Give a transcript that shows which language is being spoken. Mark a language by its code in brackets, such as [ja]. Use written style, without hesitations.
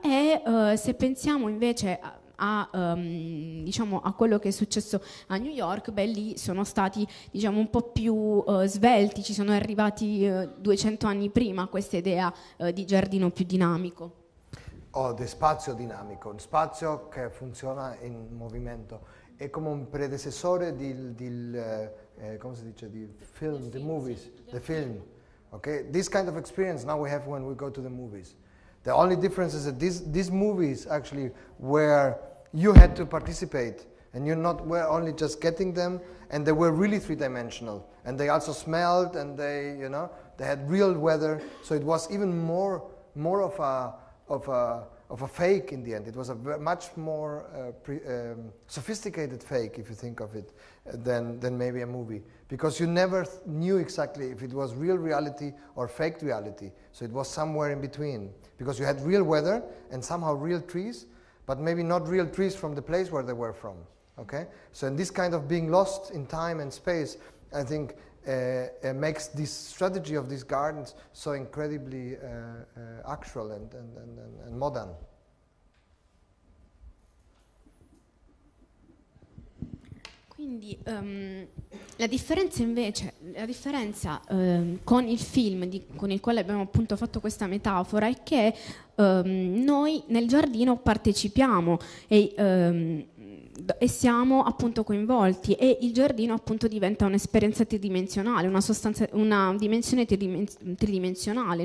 [it] E se pensiamo invece a quello che è successo a New York, beh, lì sono stati, diciamo, un po' più svelti, ci sono arrivati 200 anni prima questa idea di giardino più dinamico. Di spazio dinamico, un spazio che funziona in movimento, è come un predecessore di film. [en] Okay? This kind of experience now we have when we go to the movies. The only difference is that these movies actually where you had to participate and you not were only just getting them, and they were really three-dimensional, and they also smelled, and they, you know, they had real weather, so it was even more of a fake in the end. It was a much more sophisticated fake, if you think of it, than maybe a movie, because you never knew exactly if it was real reality or fake reality. So it was somewhere in between, because you had real weather and somehow real trees, but maybe not real trees from the place where they were from. Okay. So in this kind of being lost in time and space, I think it makes this strategy of these gardens so incredibly actual and modern. [it] Quindi la differenza invece, la differenza con il film con il quale abbiamo appunto fatto questa metafora è che noi nel giardino partecipiamo e siamo appunto coinvolti e il giardino appunto diventa un'esperienza tridimensionale, una sostanza, una dimensione tridimensionale.